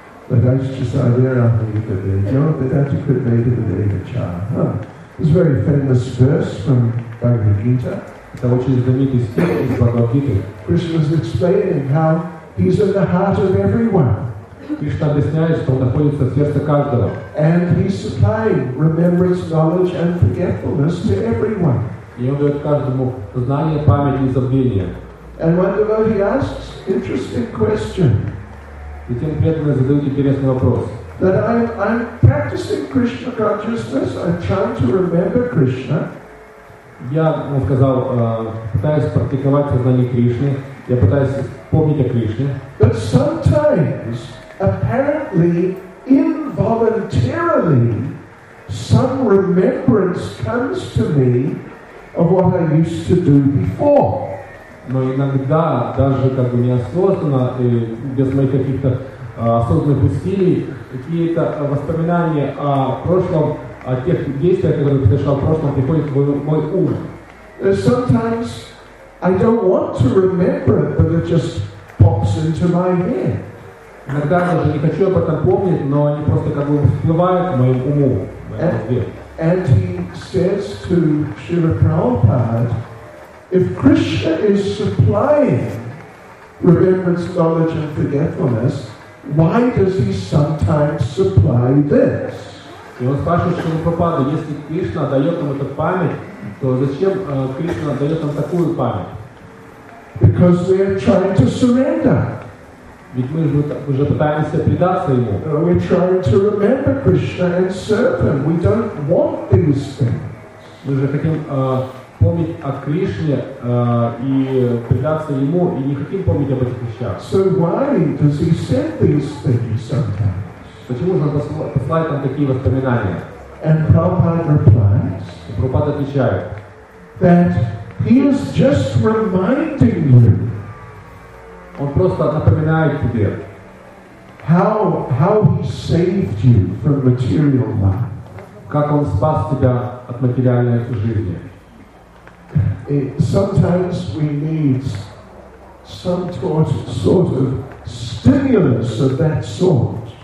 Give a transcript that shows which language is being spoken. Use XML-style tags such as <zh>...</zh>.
<en>It's a very famous verse from Bhagavad Gita. Krishna's explaining how he's in the heart of everyone.</en> <ru>Krishna объясняет, что он находится в сердце каждого.</ru> <en>And he's supplying remembrance, knowledge and forgetfulness to everyone.</en> <ru>И он дает каждому знание, память и забвение.</ru> <en>And one devotee asks interesting question.</en> <ru>И тем преданным задают интересный вопрос.</ru> <en>That I'm practicing Krishna consciousness. I'm trying to remember Krishna.</en> <ru>Я, он сказал, пытаюсь практиковать сознание Кришны. Я пытаюсь помнить о Кришне.</ru> <en>But sometimes, apparently, involuntarily, some remembrance comes to me of what I used to do before.</en> <ru>Но иногда, даже как бы неосознанно, и без моих каких-то осознанных усилий, какие-то воспоминания о прошлом, о тех действиях, которые я совершал в прошлом, приходят в мой ум.</ru> <en>Sometimes I don't want to remember it, but it just pops into my head.</en> <ru>Иногда даже не хочу об этом помнить, но они просто как бы всплывают в моем уму.</ru> <en>And he says to Srila Prabhupada, if Krishna is supplying remembrance, knowledge, and forgetfulness, why does he sometimes supply this?</en> <ru>И он спрашивает Шрилу Прабхупаду, если Кришна дает нам эту память, то зачем Кришна дает нам такую память?</ru> <en>Because we are trying to surrender.</en> <ru>Ведь мы уже пытаемся предаться ему.</ru> <en>We're trying to remember Krishna and serve him. We don't want these things.</en> <ru>Мы же хотим помнить о Кришне и предаться ему, и не хотим помнить об этих вещах.</ru> <en>So why does he send these things sometimes?</en> <ru>Почему же он посылает нам такие воспоминания?</ru> <en>And Prabhupada replies,</en> <ru>и Прабхупада отвечает,</ru> <en>that he is just reminding you.</en> <ru>Он просто напоминает тебе,</ru> <en>how he saved you from material life.</en> <ru>Как он спас тебя от материальной жизни.</ru> <en>Sometimes we need some sort of stimulus of that sort.</en>